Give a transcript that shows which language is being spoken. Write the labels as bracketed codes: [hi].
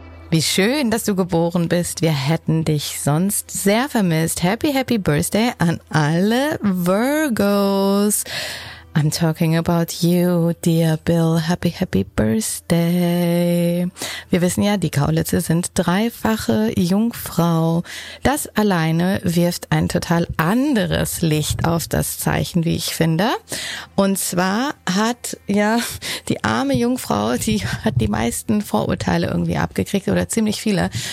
[de] Wie schön, dass du geboren bist. Wir hätten dich sonst sehr vermisst. [en] Happy, happy birthday [de] an alle [en] Virgos. I'm talking about you, dear Bill. Happy, happy birthday. [de] Wir wissen ja, die Kaulitze sind dreifache Jungfrau. Das alleine wirft ein total anderes Licht auf das Zeichen, wie ich finde. Und zwar hat ja die arme Jungfrau, die hat die meisten Vorurteile irgendwie abgekriegt oder ziemlich viele.